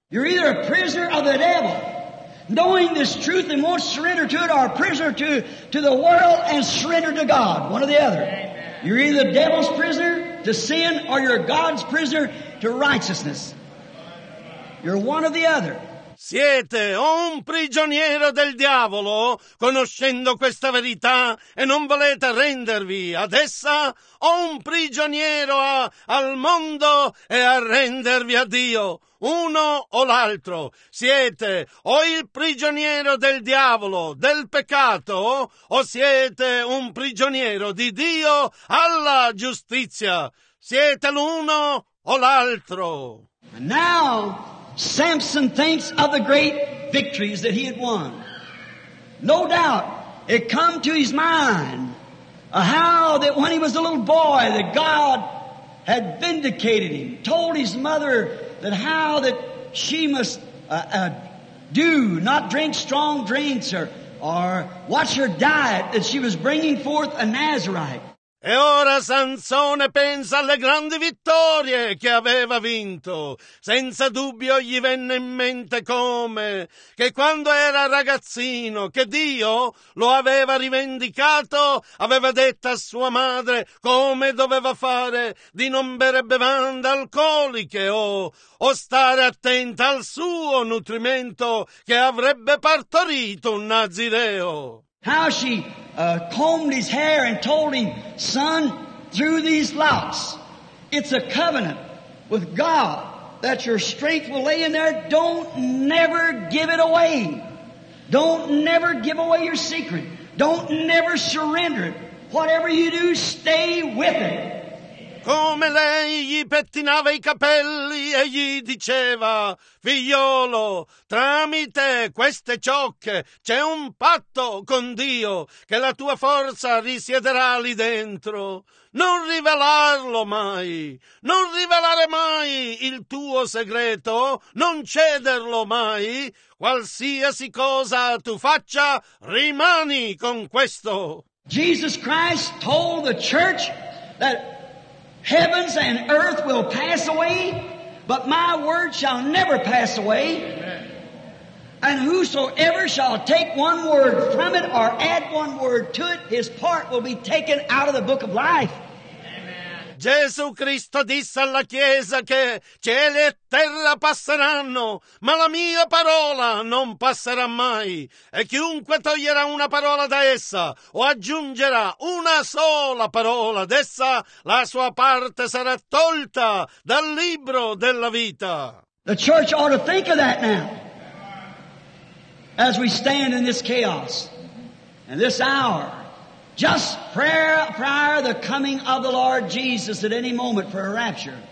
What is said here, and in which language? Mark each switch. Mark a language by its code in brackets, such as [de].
[en] You're either a prisoner of the devil, knowing this truth and won't surrender to it, or a prisoner to the world and surrender to God. One or the other. You're either the devil's prisoner to sin, or you're God's prisoner to righteousness. You're one or the other. [it] Siete o un prigioniero del diavolo, conoscendo questa verità e non volete arrendervi ad essa, o un prigioniero al mondo e arrendervi a Dio, uno o l'altro. Siete o il prigioniero del diavolo, del peccato, o siete un prigioniero di Dio alla giustizia. Siete l'uno o l'altro. [en] Now Samson thinks of the great victories that he had won. No doubt it come to his mind how that when he was a little boy that God had vindicated him, told his mother that how that she must do, not drink strong drinks or watch her diet, that she was bringing forth a Nazarite. [it] E ora Sansone pensa alle grandi vittorie che aveva vinto. Senza dubbio gli venne in mente come, che quando era ragazzino, che Dio lo aveva rivendicato, aveva detto a sua madre come doveva fare di non bere bevande alcoliche o stare attenta al suo nutrimento che avrebbe partorito un Nazireo. [en] How she combed his hair and told him, son, through these locks, it's a covenant with God that your strength will lay in there. Don't never give it away. Don't never give away your secret. Don't never surrender it. Whatever you do, stay with it. [it] Come lei gli pettinava i capelli e gli diceva, figliolo, tramite queste ciocche c'è un patto con Dio che la tua forza risiederà lì dentro. Non rivelarlo mai, non rivelare mai il tuo segreto, non cederlo mai. Qualsiasi cosa tu faccia, rimani con questo. [en] Jesus Christ told the church that heavens and earth will pass away, but my word shall never pass away. Amen. And whosoever shall take one word from it or add one word to it, his part will be taken out of the book of life. [it] Gesù Cristo disse alla Chiesa che cieli e terra passeranno, ma la mia parola non passerà mai. E chiunque toglierà una parola da essa o aggiungerà una sola parola ad essa, la sua parte sarà tolta dal libro della vita. [en] The church ought to think of that now, as we stand in this chaos, in this hour. Just prior the coming of the Lord Jesus at any moment for a rapture.